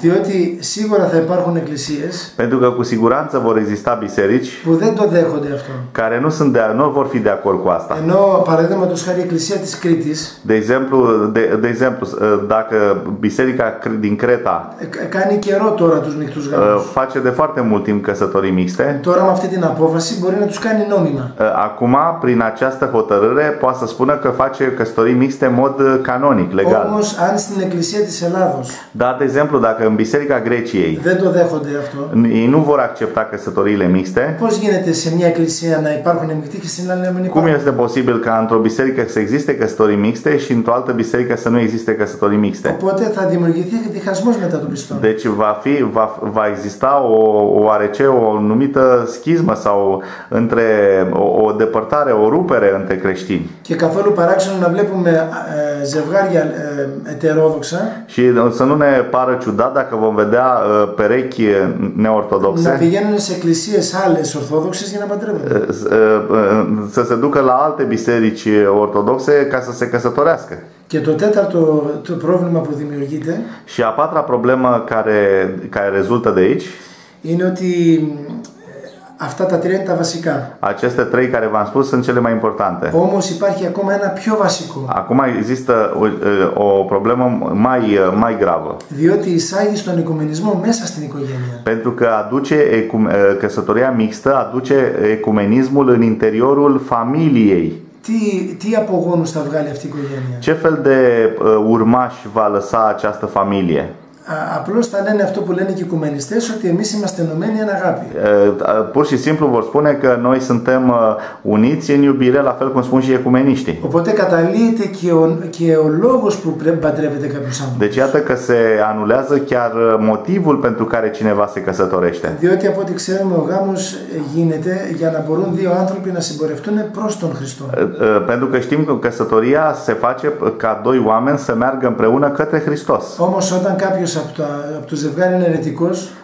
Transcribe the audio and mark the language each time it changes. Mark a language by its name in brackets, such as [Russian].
[Greek] Διότι σίγουρα θα υπάρχουν εκκλησίες. [Romanian] Pentru că cu siguranță vor exista biserici care nu vor fi de acord cu asta. [Greek] Ενώ, παραδείγματος χάρη, η εκκλησία της Κρήτης, [Romanian] de exemplu, dacă biserica din Creta [Greek] κάνει καιρό τώρα τους μικτούς γάμους, [Romanian] face de foarte mult timp căsătorii mixte, [Greek] τώρα με αυτή την απόφαση μπορεί να τους κάνει νόμιμα. [Romanian] Acum, prin această hotărâre, poate să spună că face căsătorii mixte în mod canonic, legal. [Greek] Όμως, αν στην εκκλησία της Ελλάδος, [Romanian] dar, de exemplu, dacă în biserica Greciei [Greek] δεν το δέχονται αυτό, [Romanian] ei nu vor accepta căsătoriile mixte. [Greek] Πώς γίνεται σε μια εκκλησία να υπάρχουν μικτοί και στην άλλη να μην υπάρχουν? [Romanian] Cum este posibil ca într-o biserică să existe căsătorii mixte și într-o altă biserică să nu existe căsătorii mixte? [Greek] Οπότε θα δημιουργηθεί διχασμός μετά τον πιστό. [Romanian] Deci va exista o numită schismă sau între o depărtare, o rupere între creștini. [Greek] Και καθόλου παράξενο να βλέπουμε ζευγάρια ετερόδοξα. [Romanian] Și să nu ne pară ciudat dacă vom vedea perechi neortodoxe. [Greek] Να πηγαίνουν σε εκκλησίες άλλες ορθόδοξες για να παντρεύονται. [Romanian] Să se ducă la alte biserici ortodoxe ca să se căsătorească. [Greek] Και το τέταρτο το πρόβλημα που δημιουργείται. [Romanian] Și a patra problemă care rezultă de aici. [Greek] Είναι ότι αυτά τα τρία είναι τα βασικά. [Romanian] Aceste trei care v-am spus sunt cele mai importante. [Greek] Όμως υπάρχει ακόμα ένα πιο βασικό. [Romanian] Acum există o problemă mai gravă. [Greek] Διότι εισάγει στον οικουμενισμό μέσα στην οικογένεια. [Romanian] Pentru că aduce căsătoria mixtă aduce ecumenismul în interiorul familiei. [Greek] Τι απογόνους θα βγάλει αυτή η οικογένεια? [Romanian] Ce fel de urmași va lăsa această familie? [Greek] Απλώς θα λένε αυτό που λένε και οι οικουμενιστές, ότι εμείς είμαστε ενωμένοι εν αγάπη. [Romanian] Pur și simplu vor spune că noi suntem uniți în iubire, la fel cum spun și ecumeniștii. [Greek] Οπότε καταλύεται και ο λόγος που πρέπει να παντρεύεται κάποιος άνθρωπος. [Romanian] Deci iată că se anulează chiar motivul pentru care cineva se căsătorește. [Greek] Διότι από ό,τι ξέρουμε ο γάμος γίνεται για να μπορούν δύο άνθρωποι να συμπορευτούν προς τον Χριστό. [Romanian] Pentru că știm că căsătoria se face ca doi oameni să meargă împreună către Hristos. [Greek] Όμως όταν κάποιος από το ζευγάρι είναι αιρετικός.